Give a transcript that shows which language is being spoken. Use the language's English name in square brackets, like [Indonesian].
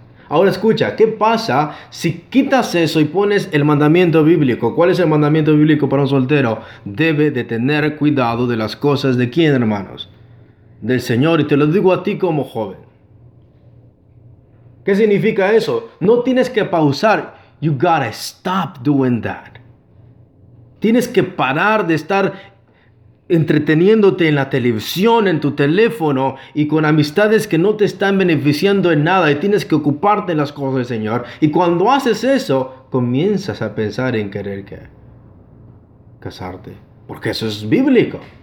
[Spanish] Ahora escucha, ¿qué pasa si quitas eso y pones el mandamiento bíblico? ¿Cuál es el mandamiento bíblico para un soltero? Debe de tener cuidado de las cosas de quién, hermanos. Del Señor, y te lo digo a ti como joven. ¿Qué significa eso? No tienes que pausar. [English] You gotta stop doing that. [Spanish] Tienes que parar de estar entreteniéndote en la televisión, en tu teléfono y con amistades que no te están beneficiando en nada, y tienes que ocuparte de las cosas del Señor. Y cuando haces eso, comienzas a pensar en querer que casarte, porque eso es bíblico.